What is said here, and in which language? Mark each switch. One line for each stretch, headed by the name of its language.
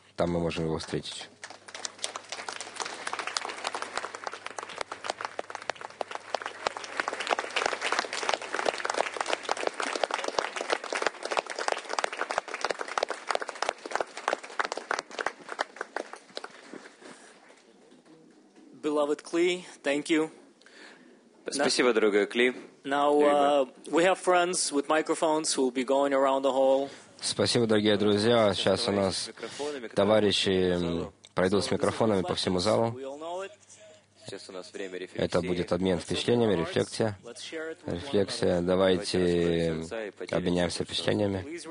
Russian: Там мы можем его встретить. Клей,
English: thank you.
Russian: Спасибо, дорогой Клей.
English: Now we have friends with microphones who will be going around the hall.
Russian: Спасибо, дорогие друзья. Сейчас у нас товарищи пройдут с микрофонами по всему залу. Сейчас у нас время рефлексии. Это будет обмен впечатлениями, рефлексия. Рефлексия. Давайте обменяемся впечатлениями.